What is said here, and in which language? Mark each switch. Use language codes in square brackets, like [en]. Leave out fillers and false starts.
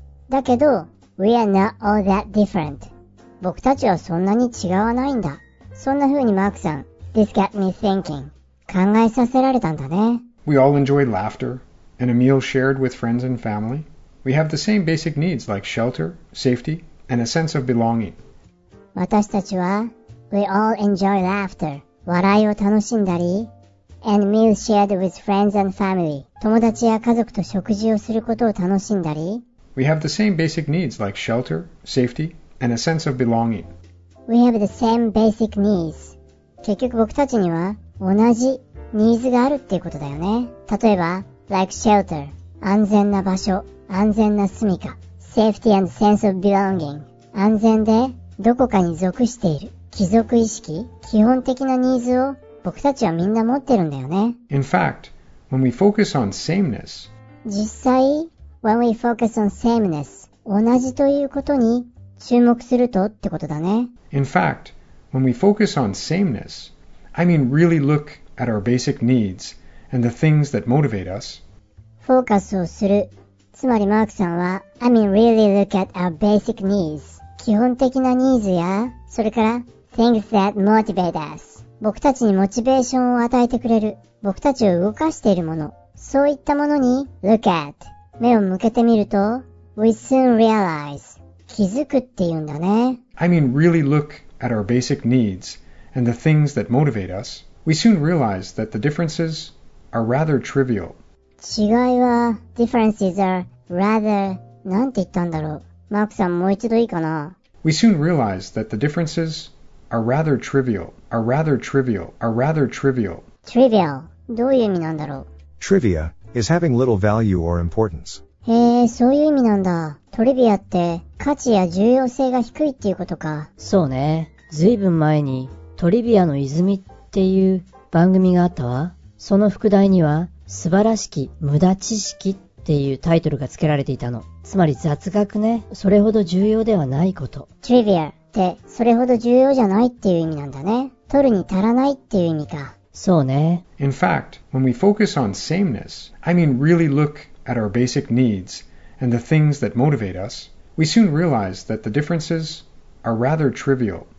[ja] だけど、 [en] we are not all that different. [ja] 僕たちはそんなに違わないんだ。そんな風にマークさん、 [en] this got me thinking. [ja] 考えさせられたんだね。 [en] We all enjoy laughter and a meal shared with friends and family. We have the same basic needs like shelter, safety, and a sense of belonging. [ja] 私たちは、 [en] we all enjoy laughter. [ja] 笑いを楽しんだり、 [en] and meals shared with friends and family. [ja] 友達や家族と食事をすることを楽しんだり、 [en] We have the same basic needs like shelter, safety, and a sense of belonging. We have the same basic needs. [ja] 結局僕たちには同じニーズがあるっていうことだよね。例えば、 [en] like shelter, [ja] 安全な場所、安全な住処、 [en] safety and sense of belonging, [ja] 安全でどこかに属している。帰属意識、基本的なニーズを僕たちはみんな持ってるんだよね。 [en] In fact, when we focus on sameness, [ja] 実際、 [en] when we focus on sameness, [ja] 同じということに注目するとってことだね。 [en] In fact, when we focus on sameness, I mean really look at our basic needs and the things that motivate us. [ja] フォーカスをする。つまりマークさんは、 [en] I mean really look at our basic needs. [ja] 基本的なニーズや、それから、 [en] things that motivate us. [ja] 僕たちにモチベーションを与えてくれる。僕たちを動かしているもの。そういったものに、 [en] look at. [ja] 目を向けてみると、 [en] we soon realize. [ja] 気づくって言うんだね。 [en] I mean really look at our basic needs and the things that motivate us. We soon realize that the differences are rather trivial. [ja] 違いは、 [en] differences are rather, [ja] なんて言ったんだろう。マークさんもう一度いいかな。 [en] We soon realize that the differences are rather trivial, are rather trivial, are rather trivial. Trivial. [ja] どういう意味なんだろう? [en] Trivia is having little value or importance. [ja] へえ、そういう意味なんだ。Trivia って価値や重要性が低いっていうことか。そうね。ずいぶん前に Trivia の泉っていう番組があったわ。その副題には素晴らしき無駄知識っていうタイトルが付けられていたの。つまり雑学ね、それほど重要ではないこと。 Trivia ってそれほど重要じゃないっていう意味なんだね。取るに足らないっていう意味か。そうね。 [en] In fact, when we focus on sameness, I mean really look at our basic needs and the things that motivate us, we soon realize that the differences are rather trivial.